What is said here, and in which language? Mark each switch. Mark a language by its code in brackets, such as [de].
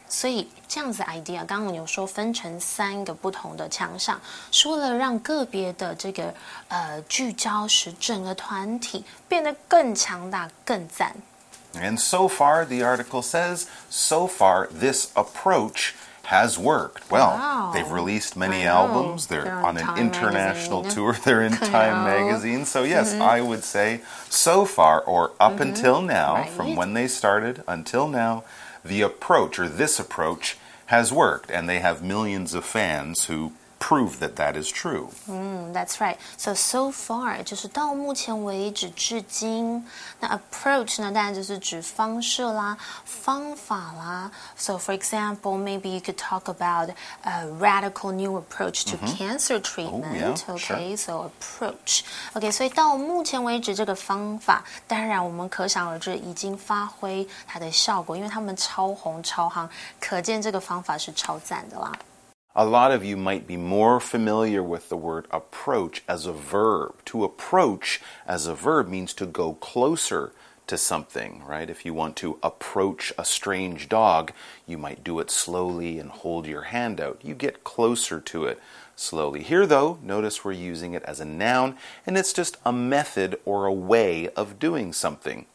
[zh] 所以这样子 idea, 刚刚有说分成三个不同的强项是为了让个别的这个、聚焦使整个团体变得更强大更赞。 [en] And so far, the article says, so far, this approach has worked. Well, wow, they've released many albums. They're on an、 Time、 international、 magazine. Tour. They're in、 Kano. Time magazine. So, yes,、mm-hmm. I would say so far or up、mm-hmm. until now,、 right. from when they started until now, the approach or this approach has worked. And they have millions of fans who prove that that is true. That's right. So far, [zh] 就是到目前为止至今，那 approach 呢，当然就是指方式啦，方法啦。 [en] So for example, maybe you could talk about a radical new approach to cancer treatment. So approach. [zh] Okay, 所以到目前为止这个方法，当然我们可想而知已经发挥它的效果，因为他们超红超夯，可见这个方法是超赞的啦。 [en] A lot of you might be more familiar with the word approach as a verb. To approach as a verb means to go closer to something, right? If you want to approach a strange dog, you might do it slowly and hold your hand out. You get closer to it slowly. Here, though, notice we're using it as a noun, and it's just a method or a way of doing something.